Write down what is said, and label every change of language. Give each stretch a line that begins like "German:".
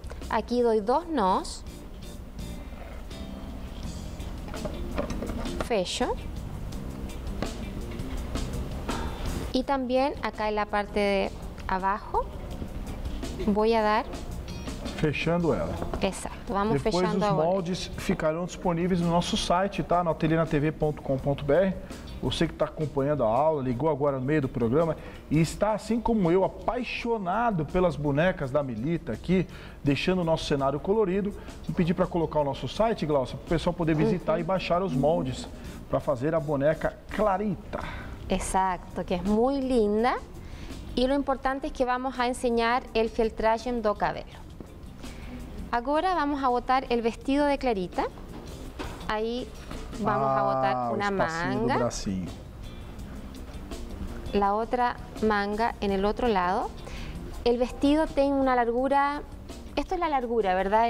Spanish: Aquí doy dos nos.
Portuguese: Fecho.
Spanish: Y también acá en la parte de abajo voy a dar...
Portuguese: Fechando ela. Exato. Vamos Depois, fechando agora. Depois os moldes ficarão disponíveis no nosso site, tá? No atelienatv.com.br. Você que está acompanhando a aula, ligou agora no meio do programa e está, assim como eu, apaixonado pelas bonecas da Milita aqui, deixando o nosso cenário colorido. Vou pedir para colocar o nosso site, Glaucia, para o pessoal poder visitar e baixar os moldes para fazer a boneca Clarita. Exato, que é muito linda. E o importante é que vamos a ensinar o feltragem do cabelo.
Spanish: Ahora vamos a botar el vestido de Clarita. Ahí vamos a botar una manga. Ah, el espacio del bracito. La otra manga en el otro lado. El vestido tiene una largura, esto es la largura, ¿verdad?